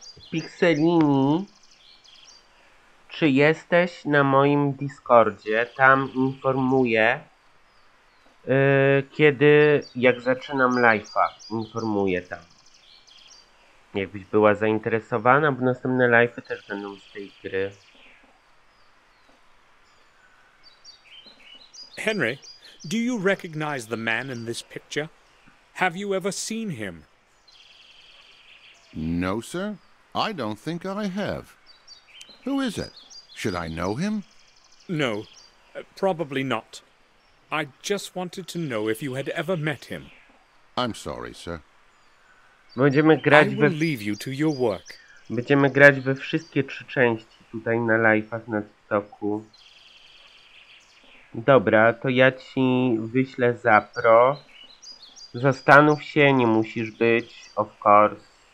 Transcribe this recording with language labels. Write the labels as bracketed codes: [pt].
[pl] Pixelini, czy jesteś na moim Discordzie? Tam informuję, kiedy, jak zaczynam live'a, informuję tam. Jakbyś była zainteresowana, bo następne live'y też będą z tej gry. [en] Henry, do you recognize the man in this picture? Have you ever seen him? No, sir. I don't think I have. Who is it? Should I know him? No, probably not. I just wanted to know if you had ever met him. I'm sorry, sir. [pl] Będziemy grać [en] we... I will leave you to your work. [pl] Będziemy grać we wszystkie trzy części tutaj na live'ach na TikToku. Dobra, to ja ci wyślę zapro. Zastanów się, nie musisz być, [en] of course.